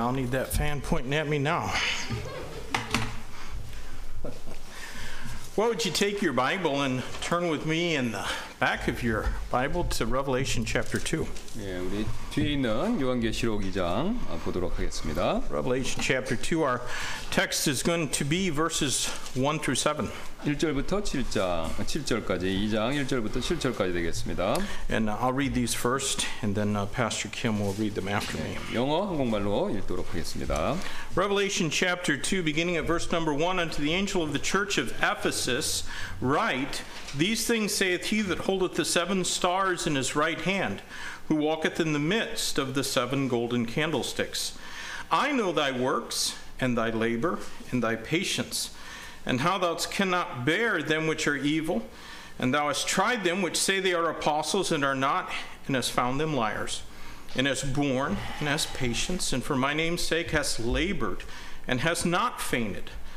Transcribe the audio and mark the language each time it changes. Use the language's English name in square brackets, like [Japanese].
[English] I'll need that fan pointing at me now. Well, would you take your Bible and turn with me in the back of your Bible to Revelation chapter 2. [Korean] 예, 우리 뒤에 있는 요한계시록 2장 보도록 하겠습니다. [English] Revelation chapter 2, our text is going to be verses 1 through 7. [Korean] 1절부터 7절까지, 2장 1절부터 7절까지 되겠습니다. [English] And I'll read these first, and then Pastor Kim will read them after me. [Korean] 영어 한국말로 읽도록 하겠습니다. [English] Revelation chapter 2, beginning at verse number 1, unto the angel of the church of Ephesus, write, these things saith he that holdeth the seven stars in his right hand, who walketh in the midst of the seven golden candlesticks. I know thy works, and thy labor, and thy patience, and how thou cannot bear them which are evil, and thou hast tried them which say they are apostles and are not, and hast found them liars, and hast borne, and hast patience, and for my name's sake hast labored, and hast not fainted.